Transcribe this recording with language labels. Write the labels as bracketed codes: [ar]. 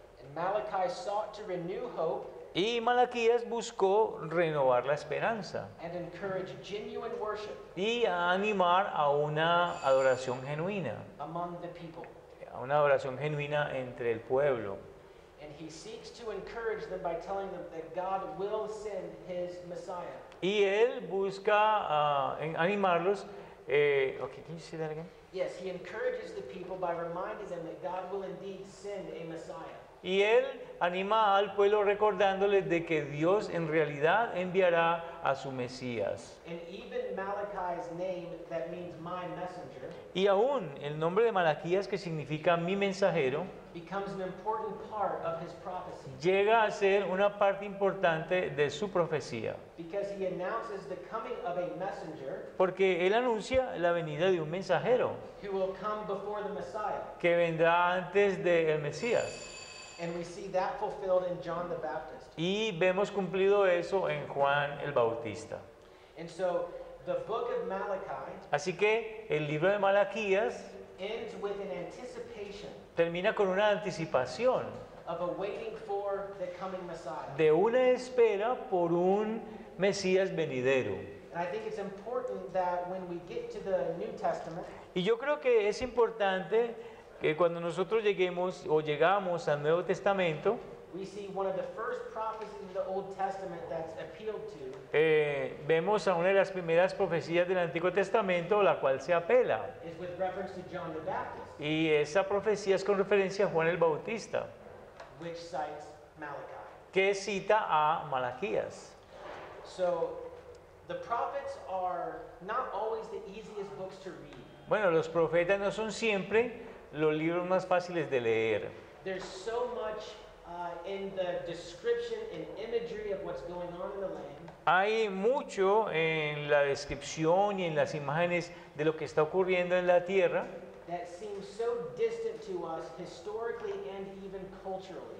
[en] And Malachi sought to renew hope. [es] Y Malaquías buscó renovar la esperanza. [en] And encourage genuine worship. [es] Y a animar a una adoración genuina. [en] Among the people. [es] A una adoración genuina entre el pueblo. [en] And he seeks to encourage them by telling them that God will send his Messiah. [es] Y él busca animarlos. [en] Okay, can you say that again? Yes, he encourages the people by reminding them that God will indeed send a Messiah. [es] Y él anima al pueblo recordándoles de que Dios en realidad enviará a su Mesías. [en] And even Malachi's name, that means my messenger. [es] Y aún el nombre de Malaquías, que significa mi mensajero, [en] becomes an important part of his prophecy. [es] Llega a ser una parte importante de su profecía. [en] Because he announces the coming of a messenger. [es] Porque él anuncia la venida de un mensajero. [en] Who will come before the Messiah. [es] Que vendrá antes del Mesías. [en] And we see that fulfilled in John the Baptist. [es] Y vemos cumplido eso en Juan el Bautista. [en] And so the book of Malachi. [es] Así que el libro de Malaquías [en] ends with an anticipation. [es] Termina con una anticipación [en] of awaiting for the coming Messiah. [es] De una espera por un Mesías venidero. [en] And I think it's important that when we get to the New Testament. [es] Y yo creo que es importante que cuando nosotros lleguemos o llegamos al Nuevo Testamento, [en] We see one of the first prophecies in the Old Testament that's appealed to. [es] Vemos a una de las primeras profecías del Antiguo Testamento la cual se apela. [en] Is with reference to John the Baptist. [es] Y esa profecía es con referencia a Juan el Bautista. [en] Which cites Malachi. [es] Que cita a Malaquías. [en] So the prophets are not always the easiest books to read. [es] Bueno, los profetas no son siempre los libros más fáciles de leer. [en] There's so much in the description and imagery of what's going on in the land. [es] Hay mucho en la descripción y en las imágenes de lo que está ocurriendo en la tierra. [en] That seems so distant to us historically and even culturally.